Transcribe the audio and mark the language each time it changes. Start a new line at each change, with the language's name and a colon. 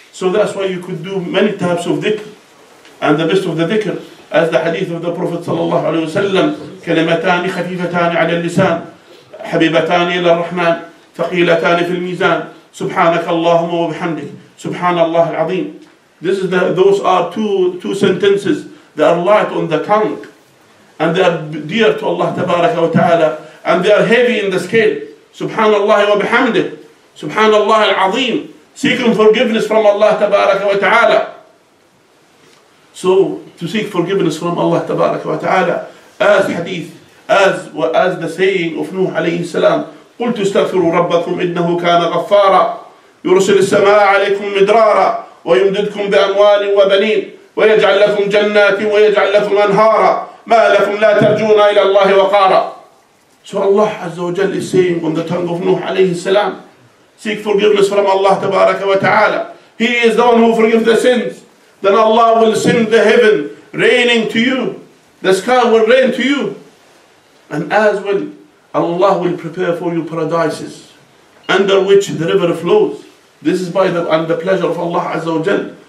English: So that's why you could do many types of dhikr. And the best of the dhikr, as the hadith of the Prophet sallallahu alayhi wa sallam,
Arabic: كلمتان خفيفتان على اللسان حبيبتان إلى الرحمن ثقيلتان في الميزان سبحانك اللهم وبحمدك سبحان الله العظيم.
English: This is those are two sentences that are light on the tongue and they are dear to Allah تبارك وتعالى and they are heavy in the scale.
Arabic: سبحان الله وبحمدك سبحان الله العظيم.
English: Seeking forgiveness from Allah تبارك وتعالى. So to seek forgiveness from Allah Tabaraka wa Ta'ala, as hadith, as the saying of Nuh alayhi salam,
Arabic: قلت استغفروا ربكم إنه كان غفارا يرسل السماء عليكم مدرارا ويمددكم بأموال وبنين ويجعل لكم جنات ويجعل لكم أنهارا ما لكم لا ترجون إلى الله وقارا.
English: So Allah Azza wa Jal is saying on the tongue of Nuh alayhi salam, seek forgiveness from Allah Tabaraka wa Ta'ala. He is the one who forgives the sins. Then Allah will send the heaven raining to you. The sky will rain to you. And as well, Allah will prepare for you paradises under which the river flows. This is by the pleasure of Allah Azza wa Jal.